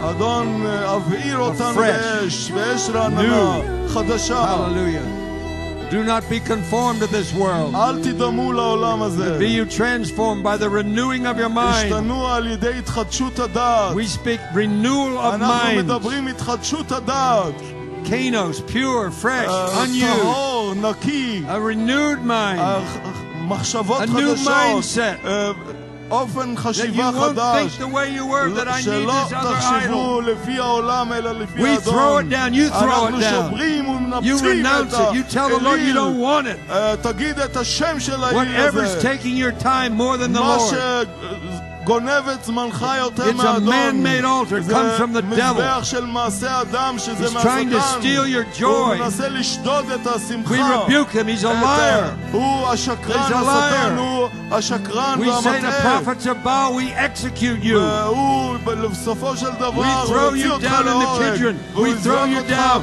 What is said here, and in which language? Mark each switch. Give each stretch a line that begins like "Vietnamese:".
Hebrew: אדון, אביר אותנו באש, באש רעננה, חדשה.
English: Hallelujah. Do not be conformed to this world.
Hebrew: אל תדמו לעולם הזה.
English: Be you transformed by the renewing of your mind.
Hebrew: השתנו על ידי התחדשות הדעת.
English: We speak renewal of mind.
Hebrew: אנחנו מדברים התחדשות הדעת.
English: Kainos, pure, fresh, unused.
Hebrew: טהור, נקי.
English: A renewed mind.
Hebrew: מחשבות חדשות.
English: A new mindset.
Hebrew: אופן חשיבה חדש.
English: That you won't think the way you were, that I need this other idol.
Hebrew: שלא תחשבו לפי העולם אלא לפי אדון.
English: We throw it down, you throw it down.
Hebrew: אנחנו שוברים ומנפצים את ה...
English: You renounce it, you tell the Lord you don't want it.
Hebrew: תגיד את השם של האל הזה.
English: Whatever's taking your time more than the Lord.
Hebrew: מה שגונבת זמנך יותר מאדון.
English: It's a man-made altar, it comes from the devil.
Hebrew: זה מזבח של מעשה אדם שזה מהשטן.
English: He's trying to steal your joy.
Hebrew: הוא מנסה לשדוד את השמחה.
English: We rebuke him, he's a liar.
Hebrew: הוא השקרן, השטן הוא...
English: We say to prophets of Baal, we execute you. We throw you down in the Kidron. We throw you down.